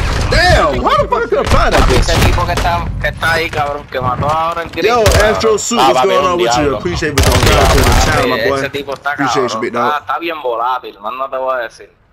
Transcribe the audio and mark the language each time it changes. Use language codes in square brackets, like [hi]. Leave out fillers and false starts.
[en] Damn, how the fuck is gonna find that bitch? [es] Ese tipo que está ahí, cabrón, que mató ahora el gringo. [en] Yo, Astro Suit, what's going on with you? Appreciate you coming to the channel, my boy. [es] Ese tipo está cabrón. Está bien volátil, más no te voy a decir.